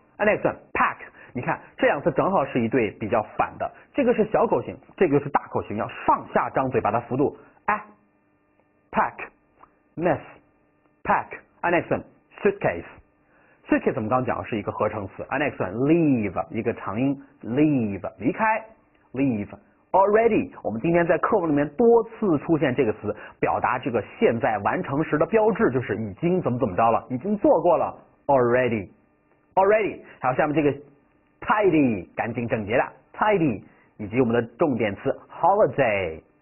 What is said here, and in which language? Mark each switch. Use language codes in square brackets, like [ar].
[en] And next one pack， [zh] 你看这两次正好是一对比较反的，这个是小口型，这个是大口型，要上下张嘴巴的幅度，哎 ， [en] pack， mess， pack。 And next one。 [zh] Suitcase 我们刚刚讲的是一个合成词。 [en] And next one leave， [zh] 一个长音 [en] leave， [zh] 离开 [en] leave。 [zh] Already 我们今天在课文里面多次出现这个词，表达这个现在完成时的标志，就是已经怎么怎么着了，已经做过了 already。 Already 还有下面这个 tidy， 干净整洁的 tidy， 以及我们的重点词 holiday。